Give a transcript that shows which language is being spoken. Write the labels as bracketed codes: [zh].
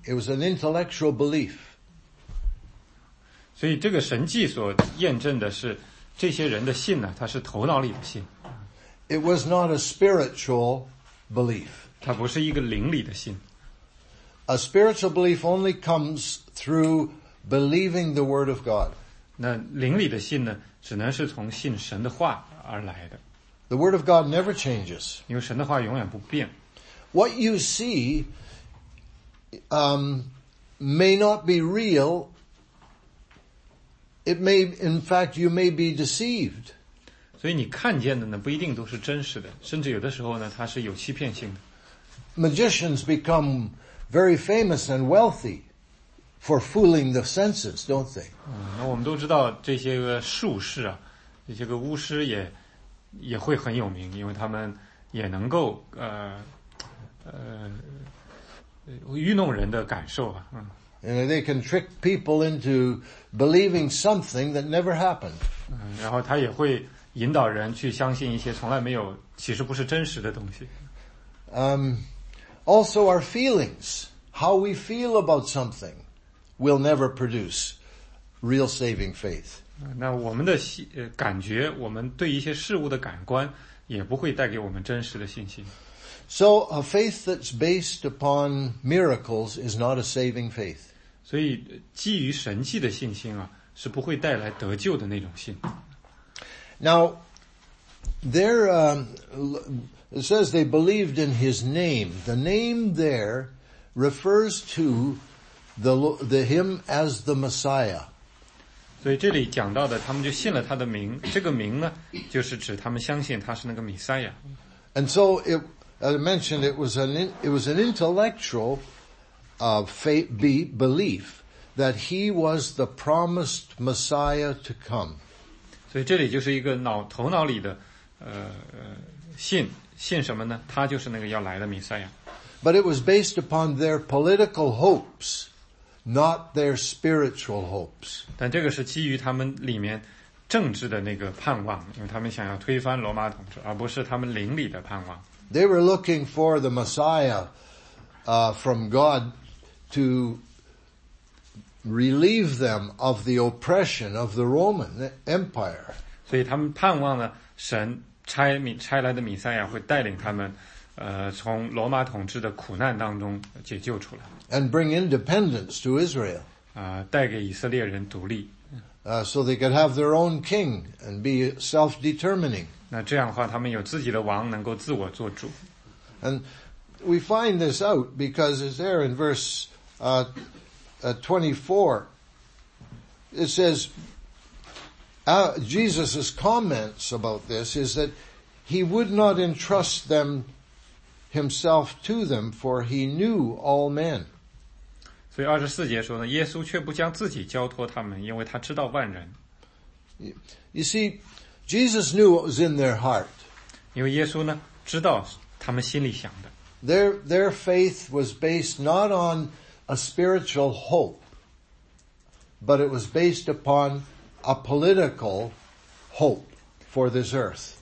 [en] It was an intellectual belief. [zh] 所以这个神迹所验证的是这些人的信呢，他是头脑里的信。 [en] It was not a spiritual belief. [zh] 它不是一个灵里的信。 [en] A spiritual belief only comes through believing the word of God. [zh] 那灵里的信呢，只能是从信神的话而来的。 [en] The word of God never changes. [zh] 因为神的话永远不变。 [en] What you see, may not be real. It may, in fact, you may be deceived. [zh] 所以你看见的呢，不一定都是真实的，甚至有的时候呢，它是有欺骗性的。 [en] Magicians become very famous and wealthy for fooling the senses, don't they? [zh] 嗯，那我们都知道这些个术士啊，这些个巫师也会很有名，因为他们也能够愚弄人的感受啊。 [en] And they can trick people into believing something that never happened. [zh] 嗯，然后他也会引导人去相信一些从来没有，其实不是真实的东西。 [en] Also our feelings, how we feel about something will never produce real saving faith. [zh] 那我们的感觉，我们对一些事物的感官也不会带给我们真实的信心。 [en] So a faith that's based upon miracles is not a saving faith. [zh] 所以基于神迹的信心啊，是不会带来得救的那种信。 [en] Now, there, it says they believed in his name. The name there refers to the him as the Messiah. [zh] 所以这里讲到的，他们就信了他的名。这个名呢，就是指他们相信他是那个弥赛亚。 [en] And so, as I mentioned, it was an intellectual, belief that he was the promised Messiah to come. [zh] 所以这里就是一个头脑里的，信什么呢？他就是那个要来的弥赛亚。 [en] But it was based upon their political hopes, not their spiritual hopes. [zh] 但这个是基于他们里面政治的那个盼望，因为他们想要推翻罗马统治，而不是他们灵里的盼望。 [en] They were looking for the Messiah, from God to relieve them of the oppression of the Roman Empire. [zh] 所以他们盼望呢，神差来的弥赛亚会带领他们，从罗马统治的苦难当中解救出来。 [en] And bring independence to Israel. [zh] 带给以色列人独立。 [en] So they could have their own king and be self-determining. [zh] 那这样的话，他们有自己的王，能够自我做主。 [en] And we find this out because it's there in verse 24. It says, Jesus' comments about this is that he would not entrust them himself to them, for he knew all men. [zh] 所以24节说呢，耶稣却不将自己交托他们，因为他知道万人。 [en] You see, Jesus knew what was in their heart. [zh] 因为耶稣呢，知道他们心里想的。 [en] Their faith was based not on a spiritual hope, but it was based upon a political hope for this earth.